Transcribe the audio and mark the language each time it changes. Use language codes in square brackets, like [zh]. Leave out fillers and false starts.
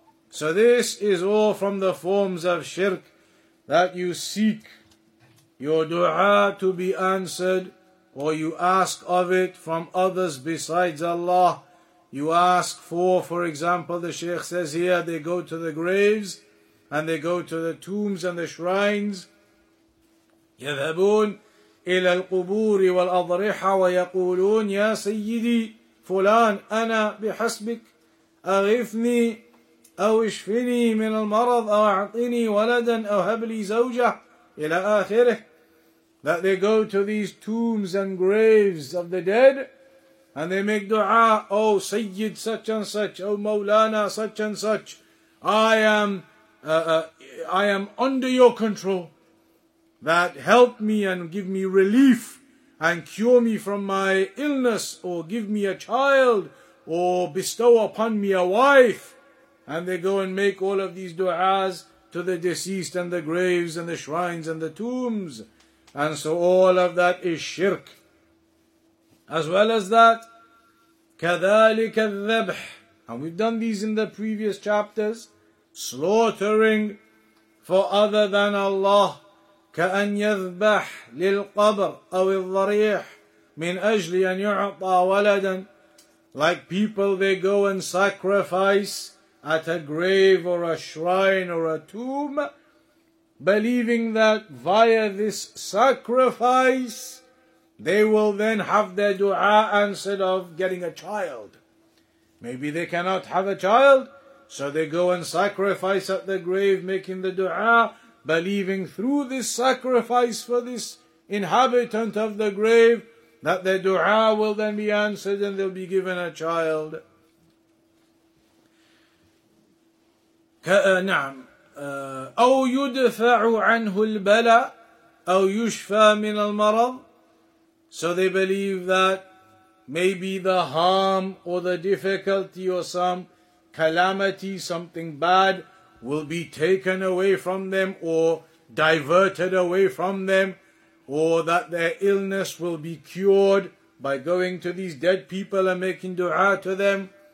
[en] So this is all from the forms of shirk, that you seek your dua to be answered, or you ask of it from others besides Allah. You ask for example, the Shaykh says here, they go to the graves, and they go to the tombs and the shrines. [ar] يذهبون إلى القبور والأضرحة ويقولون يا سيدي فلان أنا بحسبك أغفني أو اشفني من المرض أو أعطني ولدا أو هب لي زوجة إلى آخره. [en] That they go to these tombs and graves of the dead, and they make dua, O Sayyid such and such, O Mawlana such and such, I am under your control, that help me and give me relief and cure me from my illness, or give me a child, or bestow upon me a wife. And they go and make all of these du'as to the deceased and the graves and the shrines and the tombs. And so all of that is shirk. As well as that, [ar] كذلك الذبح. [en] And we've done these in the previous chapters. Slaughtering for other than Allah. [ar] كأن يذبح للقبر أو الضريح من أجل أن يعطى ولدا. [en] Like people, they go and sacrifice at a grave or a shrine or a tomb, believing that via this sacrifice, they will then have their dua answered of getting a child. Maybe they cannot have a child, so they go and sacrifice at the grave, making the dua, believing through this sacrifice for this inhabitant of the grave, that their dua will then be answered and they'll be given a child. [ar] نعم أو يدفع عنه البلاء أو يشفى من المرض. [en] So they believe that maybe the harm or the difficulty or some calamity, something bad, will be taken away from them or diverted away from them, or that their illness will be cured by going to these dead people and making dua to them.